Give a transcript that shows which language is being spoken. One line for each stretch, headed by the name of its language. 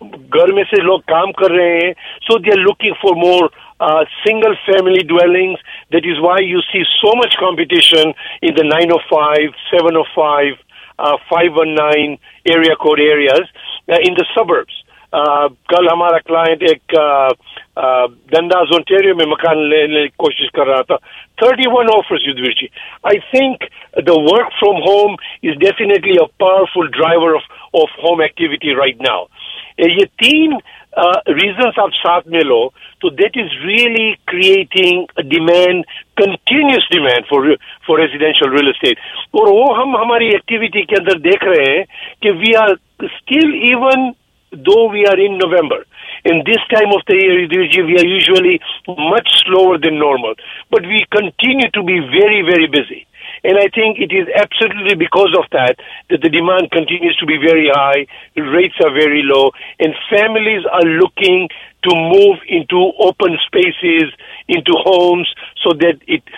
Hindi: Ghar mein se log kaam kar rahe hain,
English: so they are looking for more single family dwellings. That is why you see so much competition in the 905, 705, 519 area code areas in the suburbs.
Hindi: कल हमारा client एक दंडाज Ontario में मकान लेने की कोशिश कर रहा था.
English: 31 offers Yudhveer ji. I think the work from home is definitely a powerful driver of home activity right now.
Hindi: ये तीन रीजंस आप साथ में लो तो
English: That is really creating demand, continuous demand for residential real estate.
Hindi: और वो हम हमारी एक्टिविटी के अंदर देख रहे हैं कि
English: We are still even though we are in November. In this time of the year, we are usually much slower than normal. But we continue to be very, very busy. And I think it is absolutely because of that that the demand continues to be very high, rates are very low, and families are looking to move into open spaces, into homes, so that it...